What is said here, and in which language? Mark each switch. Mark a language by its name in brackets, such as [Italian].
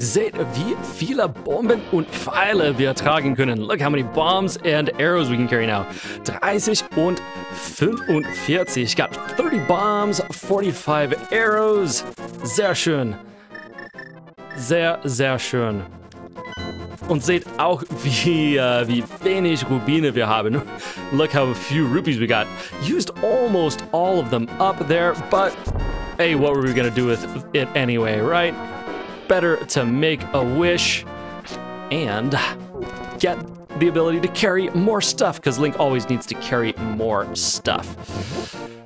[German] Seht, wie viele Bomben und Pfeile wir tragen können. [English] Look how many bombs and arrows we can carry now. [German] 30 und 45. [English] Got 30 bombs, 45 arrows. [German] Sehr schön. Sehr, sehr schön. Und seht auch, wie wenig Rubine wir haben. [English] Look how few rupees we got. Used almost all of them up there, but hey, what were we gonna do with it anyway, right? Better to make a wish and get the ability to carry more stuff, because Link always needs to carry more stuff.